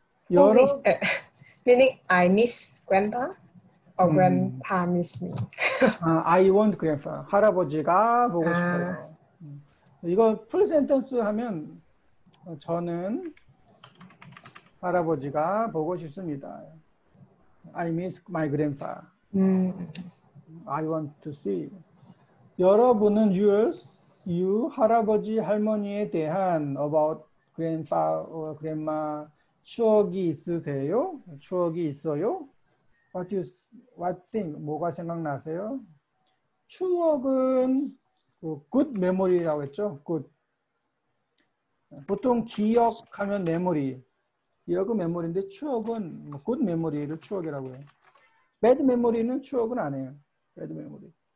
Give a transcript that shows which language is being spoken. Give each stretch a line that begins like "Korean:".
Korean: 여러
English: meaning I miss grandpa or grandpa miss me. I want grandpa.
Korean: 할아버지가 보고 싶어요. 이거 풀 센텐스 하면 저는 할아버지가 보고 싶습니다.
English: I miss my grandpa. I want to see.
Korean: 여러분은 yours You, 할아버지, 할머니에 대한
English: about grandpa or grandma
Korean: 추억이 있으세요? 추억이 있어요?
English: What do you, what think?
Korean: 뭐가 생각나세요? 추억은 good memory라고 했죠. good. 보통 기억하면 memory. 기억은 memory인데 추억은 good memory를 추억이라고 해요.
English: bad memory
Korean: 는 추억은 안 해요.
English: bad memory.